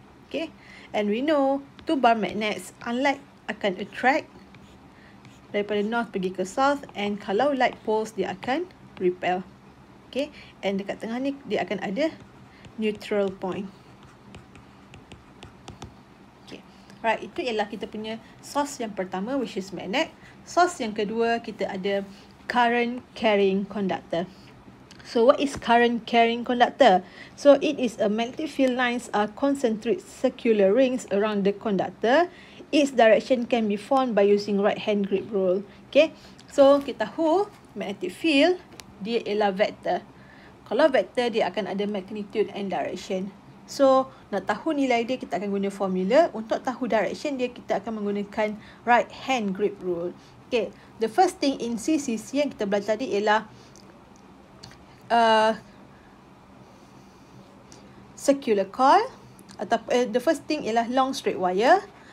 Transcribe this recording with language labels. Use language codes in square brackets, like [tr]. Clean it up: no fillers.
[en] Okay, and we know two bar magnets unlike akan attract daripada north pergi ke south, and kalau light poles dia akan repel. [ms] Okay, and dekat tengah ni dia akan ada neutral point. Okay, right, itu ialah kita punya source yang pertama, which is magnet. Source yang kedua, kita ada current carrying conductor. [en] So what is current carrying conductor? So it is a magnetic field lines are concentric circular rings around the conductor. Its direction can be formed by using right hand grip rule. [ms] Okay, so kita tahu magnetic field dia ialah vector. Kalau vector dia akan ada magnitude and direction. So nak tahu nilai dia, kita akan guna formula. Untuk tahu direction dia, kita akan menggunakan right hand grip rule. [en] Okay, the first thing in CCC yang kita belajar tadi ialah circular coil ataupun the first thing ialah long straight wire.